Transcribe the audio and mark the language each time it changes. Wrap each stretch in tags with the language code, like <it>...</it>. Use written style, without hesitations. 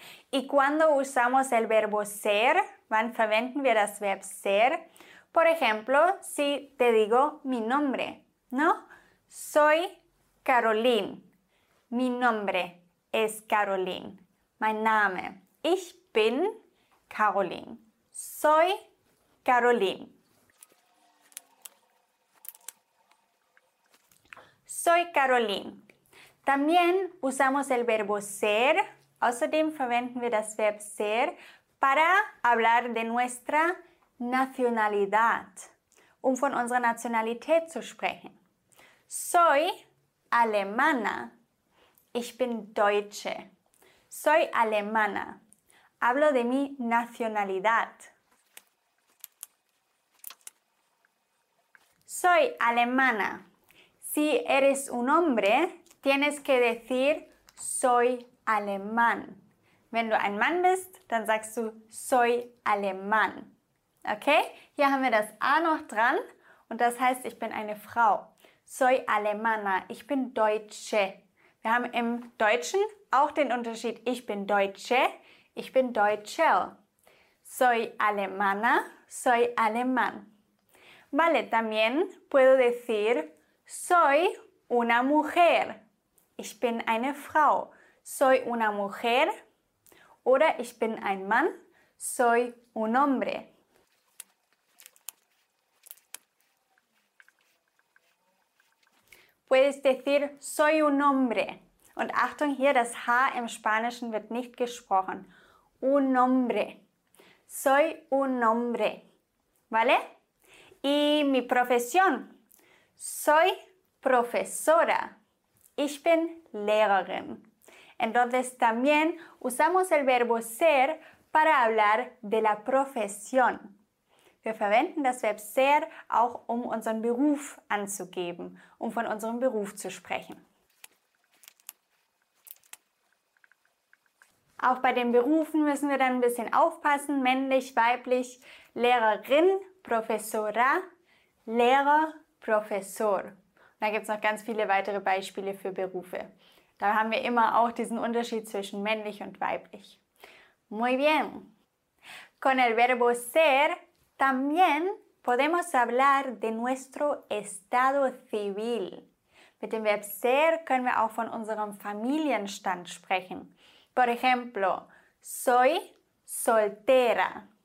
<es>¿Y cuándo usamos el verbo ser?</es> <de>¿Wann verwenden wir das Verb ser?</de> <es>Por ejemplo, si te digo mi nombre, ¿no? Soy Caroline. Mi nombre es Caroline.</es> <de>Mein Name. Ich bin Caroline.</de> <es>Soy Caroline. Soy Caroline. También usamos el verbo ser.</es> <de>Außerdem verwenden wir das Verb ser</de> <es>para hablar de nuestra Nacionalidad,</es> <de>um von unserer Nationalität zu sprechen.</de> <es>Soy alemana.</es> <de>Ich bin Deutsche.</de> <es>Soy alemana. Hablo de mi Nacionalidad. Soy alemana. Si eres un hombre, tienes que decir soy alemán.</es> <de>Wenn du ein Mann bist, dann sagst du</de> <es>soy alemán.</es> <de>Okay? Hier haben wir das A noch dran und das heißt, ich bin eine Frau.</de> <es>Soy alemana.</es> <de>Ich bin Deutsche. Wir haben im Deutschen auch den Unterschied. Ich bin Deutsche. Ich bin Deutscher.</de> <es>Soy alemana, soy alemán. Vale, también puedo decir soy una mujer.</es> <de>Ich bin eine Frau.</de> <es>Soy una mujer.</es> <de>Oder ich bin ein Mann.</de> <es>Soy un hombre. Puedes decir soy un hombre.</es> <de>Und Achtung hier, das H im Spanischen wird nicht gesprochen.</de> <es>Un hombre. Soy un hombre. ¿Vale? Y mi profesión. Soy profesora.</es> <de>Ich bin Lehrerin.</de> <es>Entonces también usamos el verbo ser para hablar de la profesión.</es> <de>Wir verwenden das Verb ser auch, um unseren Beruf anzugeben, um von unserem Beruf zu sprechen. Auch bei den Berufen müssen wir dann ein bisschen aufpassen. Männlich, weiblich, Lehrerin, Professora, Lehrer, Professor. Und da gibt es noch ganz viele weitere Beispiele für Berufe. Da haben wir immer auch diesen Unterschied zwischen männlich und weiblich.</de> <es>Muy bien. Con el verbo ser, también podemos hablar de nuestro estado civil.</es> <de>Mit dem Verb ser können wir auch von unserem Familienstand sprechen.</de> <es>Por ejemplo, soy soltera.</es>